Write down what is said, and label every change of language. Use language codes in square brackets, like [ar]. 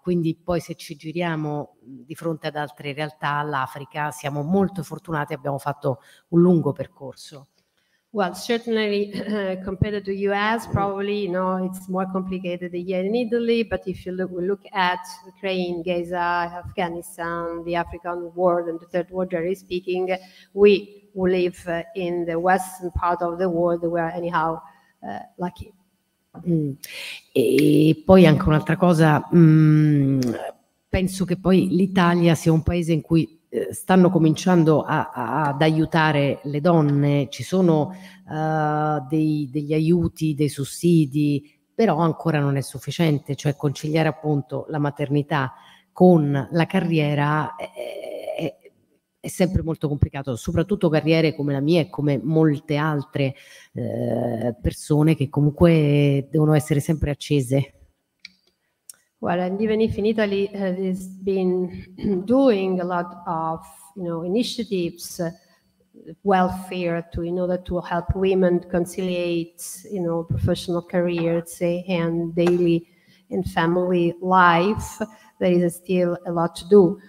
[it] Quindi poi se ci giriamo di fronte ad altre realtà, all'Africa, siamo molto fortunati, abbiamo fatto un lungo percorso. [en] Well, certainly compared to US, probably, you know, it's more complicated here in Italy, but if you look at Ukraine, Gaza, Afghanistan, the African world and the third world, generally speaking, we live in the western part of the world, where anyhow, lucky. Mm. [it] E poi anche un'altra cosa, penso che poi l'Italia sia un paese in cui stanno cominciando ad aiutare le donne, ci sono degli aiuti, dei sussidi, però ancora non è sufficiente, cioè conciliare appunto la maternità con la carriera è sempre molto complicato, soprattutto carriere come la mia e come molte altre persone che comunque devono essere sempre accese. [en] Well, and even if in Italy has been doing a lot of, you know, initiatives, welfare to in order to help women conciliate, you know, professional careers and daily and family life, there is still a lot to do.